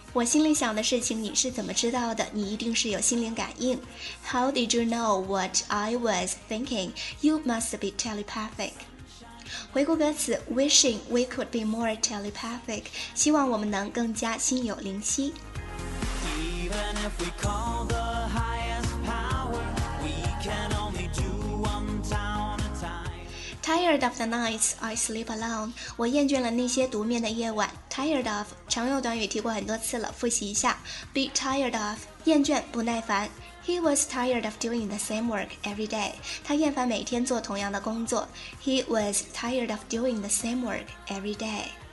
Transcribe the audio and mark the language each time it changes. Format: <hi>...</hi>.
<zh>我心里想的事情你是怎么知道的？你一定是有心灵感应。</zh> <en>How did you know what I was thinking? You must be telepathic.</en> <zh>回顾歌词</zh> <en>,wishing we could be more telepathic,</en> <zh>希望我们能更加心有灵犀。</zh> <en>Even if we call the highest power, we can only do one town. Tired of the nights I sleep alone,</en> <zh>我厌倦了那些独眠的夜晚。 Tired of, 常用短语提过很多次了，复习一下。</zh> <en>Be tired of,</en> <zh>厌倦不耐烦。</zh> <en>He was tired of doing the same work every day.</en> <zh>他厌烦每天做同样的工作。</zh> <en>He was tired of doing the same work every day.</en>